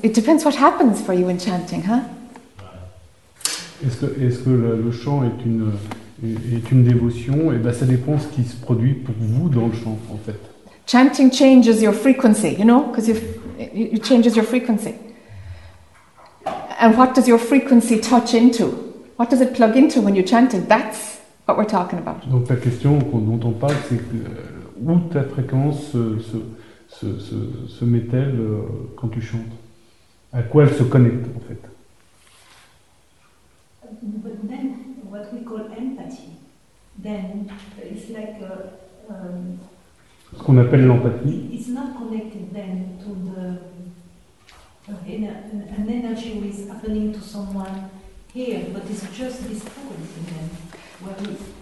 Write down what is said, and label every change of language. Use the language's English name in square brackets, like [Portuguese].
[English] It depends what happens for you in chanting, huh? Right. [French] Est-ce que le chant est une dévotion? Et ben ça dépend ce qui se produit pour vous dans le chant, en fait. [English] Chanting changes your frequency, you know, because it changes your frequency. And what does your frequency touch into? What does it plug into when you chant it? That's what we're talking about. [French] Donc la question dont on parle, c'est que où ta fréquence se met-elle quand tu chantes? À quoi elle se connecte, en fait? [English] But then, what we call empathy, then it's like [French] ce qu'on appelle l'empathie. [English] It's not connected then to the an energy which is happening to someone here, but it's just this frequency then.